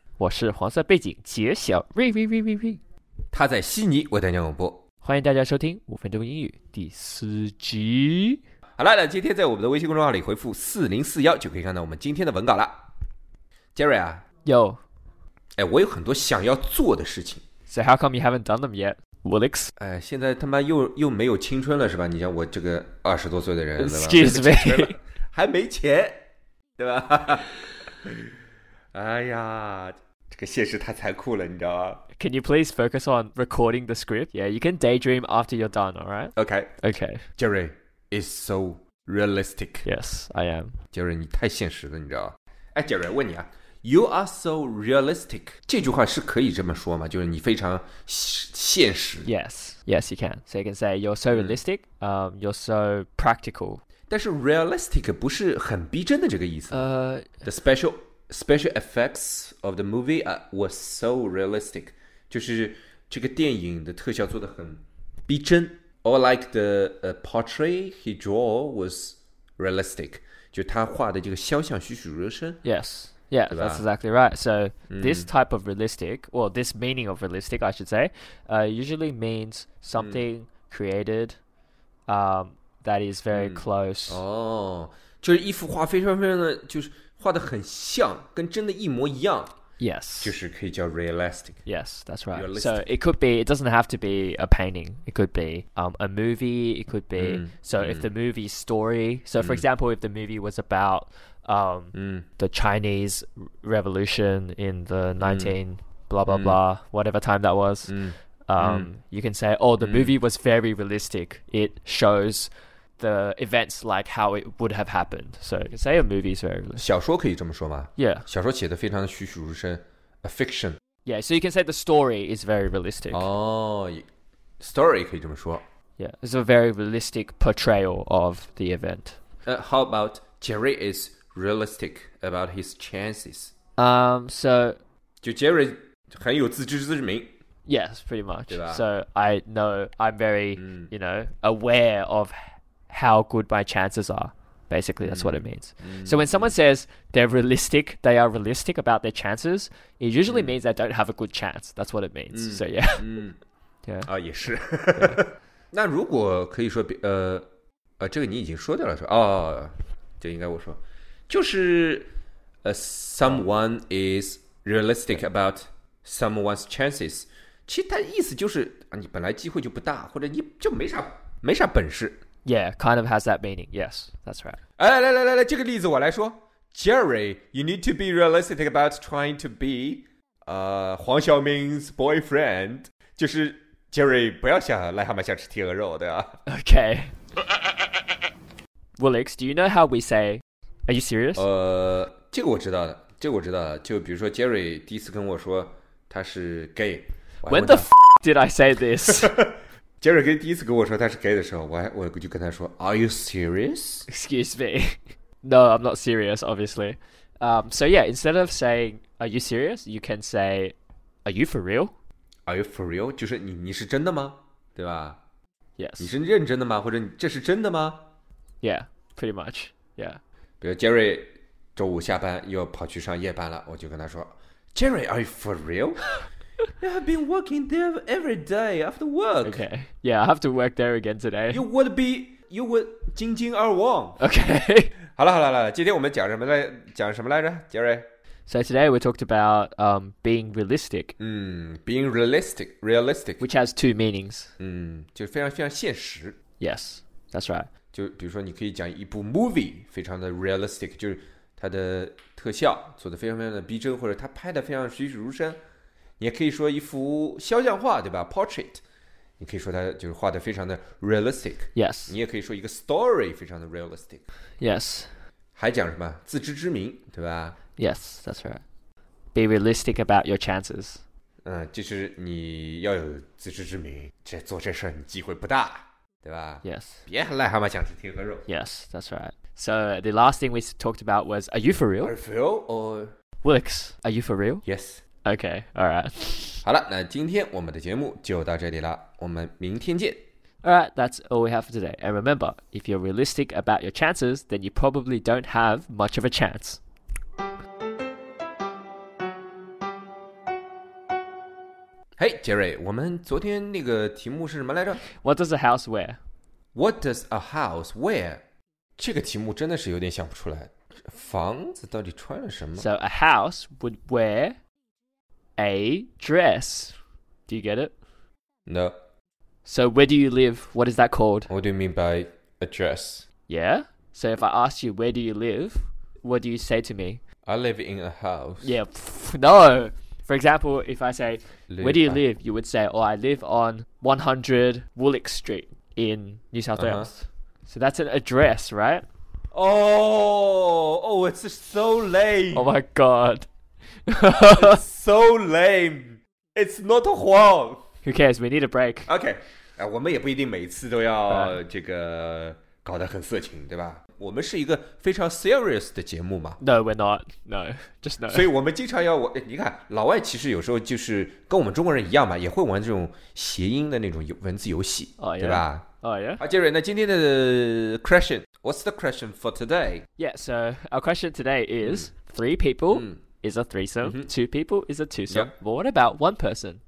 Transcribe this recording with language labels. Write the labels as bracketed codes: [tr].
[zh] 我是黄色背景杰小瑞瑞瑞瑞瑞，他在悉尼为大家广播。欢迎大家收听五分钟英语第四集。好了，那今天在我们的微信公众号里回复4041就可以看到我们今天的文稿了。 Jerry 啊，有，哎，我有很多想要做的事情。 [en] So how come you haven't done them yet, Willix? [zh] 哎，现在他妈又没有青春了是吧？你像我这个二十多岁的人，对吧 [en] ？Excuse me， [zh] 还没钱，对吧？哎呀，这个现实太残酷了，你知道吗？ [en] Can you please focus on recording the script? Yeah, you can daydream after you're done, all right? Okay. Okay. Jerry is so realistic. Yes, I am. [zh] Jerry, 你太现实了，你知道。哎 ，Jerry， 问你啊 ， [en] You are so realistic. [zh] 这句话是可以这么说吗？就是你非常现实。 [en] Yes, yes, you can. So you can say you're so realistic. You're so practical. [zh] 但是 realistic 不是很逼真的这个意思。 [en] The special effects of the movie were so realistic. [zh] 就是这个电影的特效做得很逼真 [en] or like the portrait he drew was realistic [zh] 就他画的这个肖像栩栩如生 [en] Yes, yeah, that's exactly right So this type of realistic Well, this meaning of realistic, I should say usually means something created that is very close [zh] 哦、oh, 就是一幅画非常非常的就是画得很像跟真的一模一样 [en] Yes. [zh] 就是可以叫 realistic. [en] Yes, that's right.、Realistic. So it could be, it doesn't have to be a painting. It could be a movie. It could be, if the movie's story, for example, if the movie was about the Chinese Revolution in the 19 blah, blah, blah, whatever time that was, you can say, oh, the movie was very realistic. It shows the events like how it would have happened. So you can say a movie is very realistic. [zh] 小说可以这么说吗? [en] Yeah. [zh] 小说写得非常栩栩如生, a fiction. [en] Yeah, so you can say the story is very realistic. [zh] Oh, story 可以这么说。 [en] Yeah, it's a very realistic portrayal of the event. How about Jerry is realistic about his chances? So... [zh] 就 Jerry 很有自知之明。 [en] Yes, pretty much. So I know, I'm very, you know, aware of... how good my chances are. Basically, that's what it means. So when someone says they're realistic, they are realistic about their chances, it usually means they don't have a good chance. That's what it means. So yeah. Yeah. [zh] 啊，也是。那如果可以说，这个你已经说掉了，说，哦，就应该我说，就是 [en] someone is realistic about someone's chances. [zh] 其实它意思就是，你本来机会就不大，或者你就没啥本事。 [en] Yeah, kind of has that meaning. Yes, that's right. [zh] 来，这个例子我来说。 [en] Jerry, you need to be realistic about trying to be, Huang Xiaoming's boyfriend. [zh] 就是 Jerry 不要想癞蛤蟆想吃天鹅肉，对吧 [en] ？Okay. Willix, do you know how we say? Are you serious? [zh] 这个我知道的，这个我知道的。就比如说 Jerry 第一次跟我说他是 gay. [en] When the f*** did I say this? [zh] Jerry 第一次跟我说他是 gay 的时候 我就跟他说 [en] Are you serious? Excuse me No, I'm not serious, obviously So yeah, instead of saying Are you serious? You can say Are you for real? Are you for real? [zh] 就是 你是真的吗?对吧? [en] Yes [zh] 你是认真的吗?或者这是真的吗? [en] Yeah, pretty much Yeah [zh] 比如 Jerry 周五下班又跑去上夜班了我就跟他说 [en] Jerry, are you for real? Yeah, I've been working there every day after work. Okay. Yeah, I have to work there again today. You would 津津而旺 Okay. [zh] 好了，今天我们讲什么来着 ，Jerry? [en] So today we talked about being realistic. Being realistic, which has two meanings. [zh] 就非常非常现实。 [en] Yes, that's right. [zh] 就比如说，你可以讲一部 movie 非常的 realistic， 就是它的特效做的非常非常的逼真，或者它拍的非常栩栩如生。你也可以说一幅肖像画，对吧 ？Portrait， 你可以说它就是画的非常的 realistic。 [en] Yes， [zh] 你也可以说一个 story 非常的 realistic。 [en] Yes， [zh] 还讲什么自知之明，对吧 [en] ？Yes， that's right。 be realistic about your chances. [zh] 就是你要有自知之明，这做这事你机会不大，对吧？ [en] Yes. [zh] 别很癞蛤蟆想吃天鹅肉。 [en] Yes, that's right. So the last thing we talked about was, are you for real? Are you for real or? Wilix, are you for real? Yes. Okay, all right. [zh] 好了，那今天我们的节目就到这里了，我们明天见。 [en] Alright, that's all we have for today. And remember, if you're realistic about your chances, then you probably don't have much of a chance. [zh] Hey, Jerry, 我们昨天那个题目是什么来着？ [en] What does a house wear? What does a house wear? [zh] 这个题目真的是有点想不出来。房子到底穿了什么？ [en] So a house would wear a dress. Do you get it? No. So where do you live? What is that called? What do you mean by a dress? Yeah. So if I ask you, where do you live? What do you say to me? I live in a house. Yeah. No. For example, if I say, where do you live? You would say, oh, I live on 100 Woolwich Street in New South Wales. So that's an address, right? Oh, it's so lame. Oh my God. It's so lame. It's not a Huang. Who cares? We need a break. Okay. [zh] 我们也不一定每次都要这个搞得很色情，对吧？我们是一个非常 serious 的节目嘛。 [en] No, we're not. No, just no. [zh] 所以我们经常要，你看，老外其实有时候就是跟我们中国人一样嘛，也会玩这种谐音的那种文字游戏，对吧？ [en] Oh, yeah. 好，Jerry, [zh] 那今天的 [en] question, what's the question for today? Yeah, so our question today is three people is a threesome, two people is a twosome. Yeah. But what about one person?